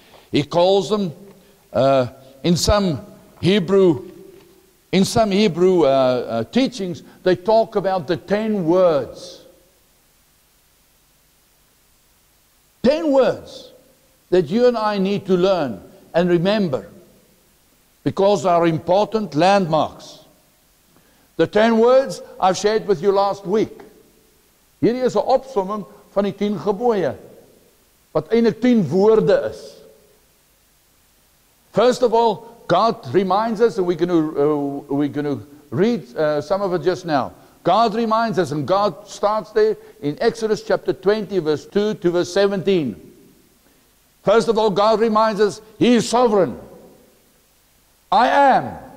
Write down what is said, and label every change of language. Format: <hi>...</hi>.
<en>He calls them in some Hebrew teachings, they talk about the 10 words. 10 words that you and I need to learn and remember, because they are important landmarks. The 10 words I've shared with you last week.</en> <af>Hierdie is 'n opsomming van die 10 gebooie, wat eintlik 10 woorde is.</af> <en>First of all, God reminds us, and we're going to read some of it just now. God reminds us, and God starts there in Exodus chapter 20, verse 2 to verse 17. First of all, God reminds us, He is sovereign. I am.</en>